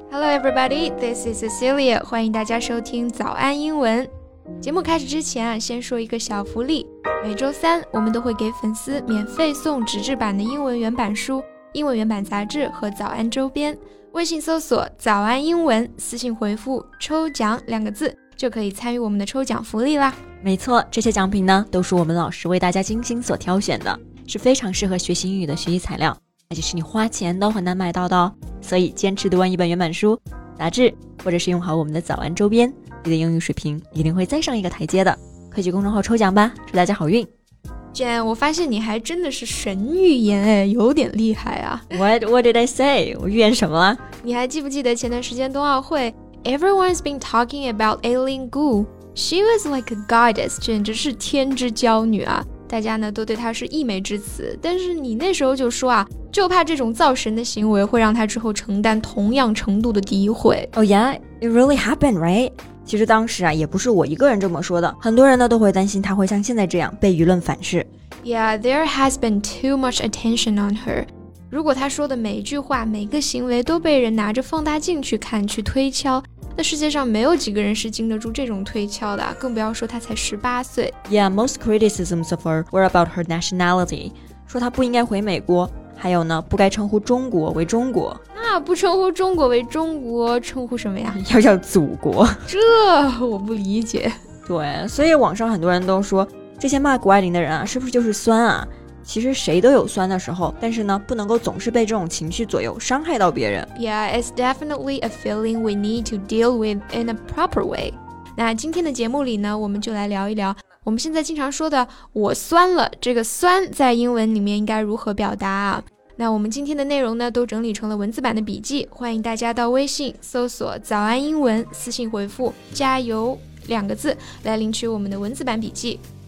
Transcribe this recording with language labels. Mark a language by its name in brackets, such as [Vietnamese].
[English] Hello everybody, this is Cecilia. [Chinese] 欢迎大家收听早安英文。节目开始之前，先说一个小福利。每周三，我们都会给粉丝免费送纸质版的英文原版书、英文原版杂志和早安周边。微信搜索早安英文，私信回复抽奖两个字，就可以参与我们的抽奖福利啦。没错，这些奖品呢，都是我们老师为大家精心所挑选的，是非常适合学习英语的学习材料。那就是你花钱都很难买到的哦，所以坚持读完一本原版书、杂志，或者是用好我们的早安周边，你的英语水平一定会再上一个台阶的。快去公众号抽奖吧，祝大家好运！ Jen， 我发现你还真的是神预言哎，有点厉害啊。 [English] What did I say？ [Chinese] 我预言什么了？你还记不记得前段时间冬奥会 [English] ，Everyone's been talking about Aileen Gu. She was like a goddess， [Chinese] 简直是天之娇女啊！大家呢都对她是溢美之词，但是你那时候就说啊，就怕这种造神的行为会让她之后承担同样程度的诋毁。 [English] Oh yeah, it really happened, right? [Chinese] 其实当时啊，也不是我一个人这么说的，很多人呢都会担心她会像现在这样被舆论反噬。 [English] Yeah, there has been too much attention on her. [Chinese] 如果她说的每一句话、每个行为都被人拿着放大镜去看、去推敲。那世界上没有几个人是经得住这种推敲的，更不要说她才十八岁。 [English] Yeah, most criticisms of her were about her nationality. [Chinese] 说她不应该回美国，还有呢，不该称呼中国为中国。那不称呼中国为中国，称呼什么呀？要叫祖国。这我不理解。对，所以网上很多人都说，这些骂谷爱凌的人啊，是不是就是酸啊？其实谁都有酸的时候，但是呢，不能够总是被这种情绪左右，伤害到别人。 [English] Yeah, it's definitely a feeling we need to deal with in a proper way. [Chinese] 那今天的节目里呢，我们就来聊一聊我们现在经常说的我酸了，这个酸在英文里面应该如何表达啊。那我们今天的内容呢，都整理成了文字版的笔记，欢迎大家到微信搜索早安英文，私信回复加油两个字来领取我们的文字版笔记。